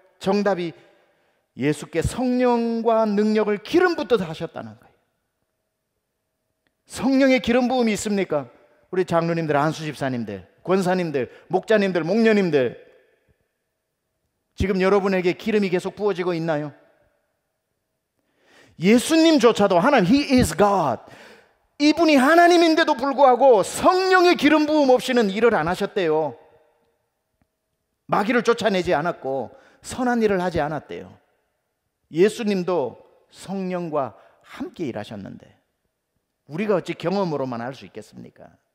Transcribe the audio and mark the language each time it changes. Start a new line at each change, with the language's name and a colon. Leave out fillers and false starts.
Korean: 정답이 예수께 성령과 능력을 기름 붓듯 하셨다는 거예요. 성령의 기름 부음이 있습니까? 우리 장로님들, 안수집사님들, 권사님들, 목자님들, 목녀님들, 지금 여러분에게 기름이 계속 부어지고 있나요? 예수님조차도 하나님,
English: He is God.
Korean: 이분이 하나님인데도 불구하고 성령의 기름 부음 없이는 일을 안 하셨대요. 마귀를 쫓아내지 않았고 선한 일을 하지 않았대요. 예수님도 성령과 함께 일하셨는데 우리가 어찌 경험으로만 알 수 있겠습니까?